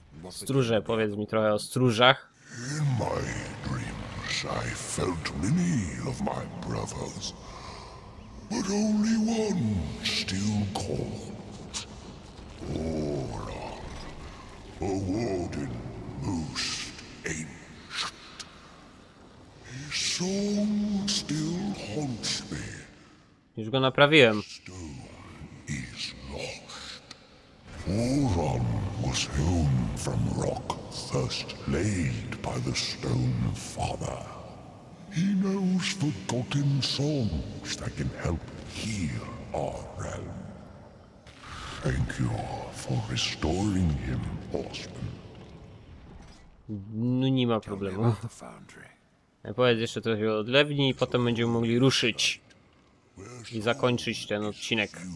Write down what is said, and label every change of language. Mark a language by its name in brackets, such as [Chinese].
[Polish] Stróże, powiedz mi trochę o stróżach. [English] In my dreams, I felt many of my brothers, but only one still called. Oron, a warden most ancient. His soul still haunts me. [Polish] Już go naprawiłem. [English] Stone is lost. Oron was home from rock first laid by the Stone Father. He knows forgotten songs that can help heal our realm. Thank you for restoring him, Osman. [Polish] No nie ma problemu. Powiedz jeszcze trochę o odlewni i potem będziemy mogli ruszyć i zakończyć ten odcinek.